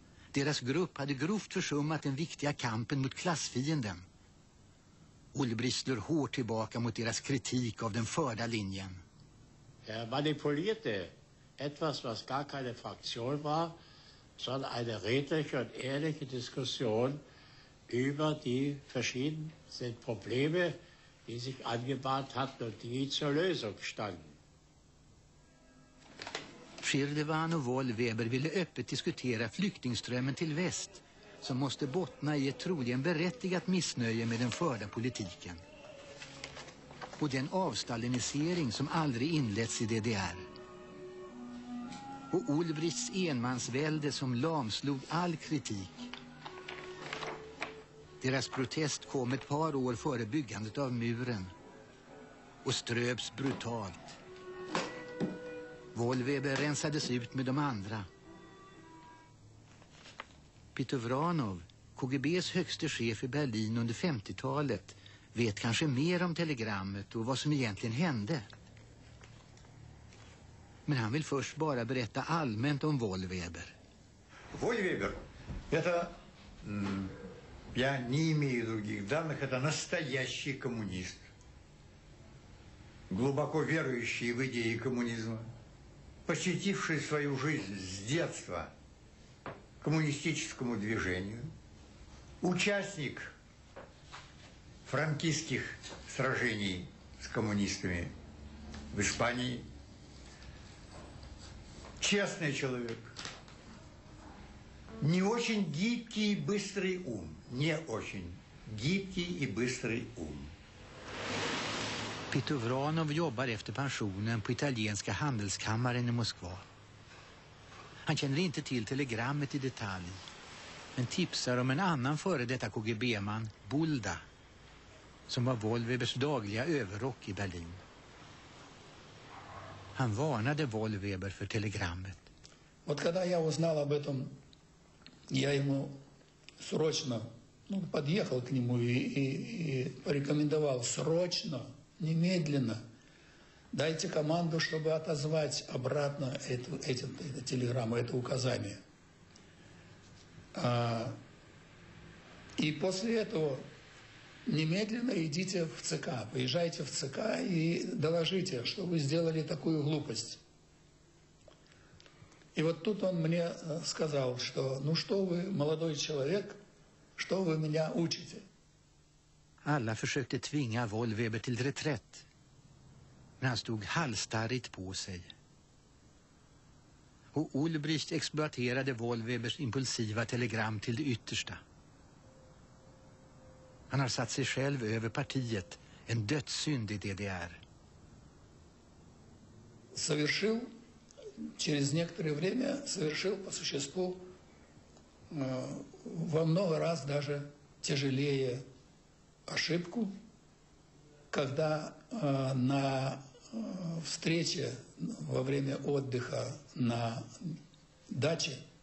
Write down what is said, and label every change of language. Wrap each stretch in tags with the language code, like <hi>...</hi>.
<sv>Deras grupp hade grovt försummat den viktiga kampen mot klassfienden. Ulbricht slår hårt tillbaka mot deras kritik av den förda linjen.</sv> <de>Er manipulierte etwas, was gar keine Fraktion war, sondern eine redliche und ehrliche Diskussion über die verschiedenen Probleme, die sich angebahnt hatten und die zur Lösung standen.</de> <sv>Schirdewan och Wohlweber ville öppet diskutera flyktingströmmen till väst som måste bottna i ett troligen berättigat missnöje med den förda politiken. Och den avstalinisering som aldrig inletts i DDR. Och Ulbrichts enmansvälde som lamslog all kritik. Deras protest kom ett par år före byggandet av muren och ströps brutalt. Wohlweber rensades ut med de andra. Peter Vranov, KGB:s högste chef i Berlin under 50-talet, vet kanske mer om telegrammet och vad som egentligen hände. Men han vill först bara berätta allmänt om Wohlweber. Wohlweber, det är</sv> <ru>Я не имею других данных, это настоящий коммунист. Глубоко верующий в идеи коммунизма, посвятивший свою жизнь с детства коммунистическому движению, участник франкистских сражений с коммунистами в Испании, честный человек, не очень гибкий и быстрый ум, не очень гибкий и быстрый ум.</ru> <sv>Peter Vranov jobbar efter pensionen på italienska handelskammaren i Moskva. Han känner inte till telegrammet i detalj, men tipsar om en annan före detta KGB-man, Bulda, som var Wohlwebers dagliga överrock i Berlin. Han varnade Wohlweber för telegrammet.</sv> <ru>Вот когда я узнал об этом, я ему срочно, ну, подъехал к нему и порекомендовал срочно, немедленно дайте команду, чтобы отозвать обратно эту телеграмму, это указание. И после этого немедленно идите в ЦК, поезжайте в ЦК и доложите, что вы сделали такую глупость. И вот тут он мне сказал, что ну что вы, молодой человек, что вы меня учите?</ru> <sv>Alla försökte tvinga Wohlweber till reträtt, men han stod halsstarrigt på sig. Och Ulbricht exploaterade Wohlwebers impulsiva telegram till det yttersta. Han har satt sig själv över partiet, en dödssynd i DDR.</sv> <ru>Совершил, через некоторое время совершил по существу во много раз даже тяжелее ошибку, когда на встрече во время отдыха на даче,</ru>